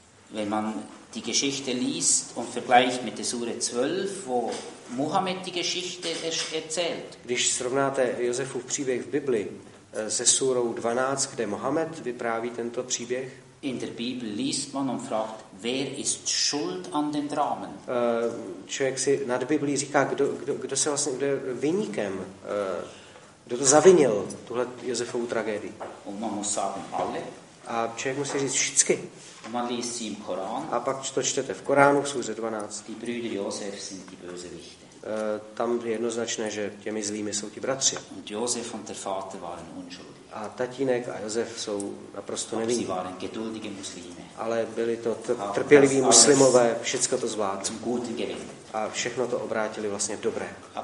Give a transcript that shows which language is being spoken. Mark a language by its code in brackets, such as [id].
[de] Wenn man die Geschichte liest und vergleicht mit der Sure 12, wo Mohammed die Geschichte erzählt. [cs] Když srovnáte Josefův příběh v Biblii se surou 12, kde Mohamed vypráví tento příběh. [de] In der Bibel liest man und fragt, wer ist schuld an den Dramen? [cs] Člověk si nad Biblií říká, kdo se vlastně, kdo je viníkem, kdo to zavinil, tuhle Josefovu tragédii. [de] Und man muss sagen, alle. [cs] A člověk musí říct všichni. [de] Man liest sie im Koran. [cs] A pak to čtete v Koránu, v Sure 12. [de] Die Brüder Josef sind die Bösewichte. [cs] Tam je jednoznačné, že těmi zlými jsou ti bratři. [de] Und Josef und der Vater waren unschuldig. [cs] A tatínek a Josef jsou naprosto nevinní. Ale byli to trpěliví muslimové, všechno to zvládli. A všechno to obrátili vlastně v dobré.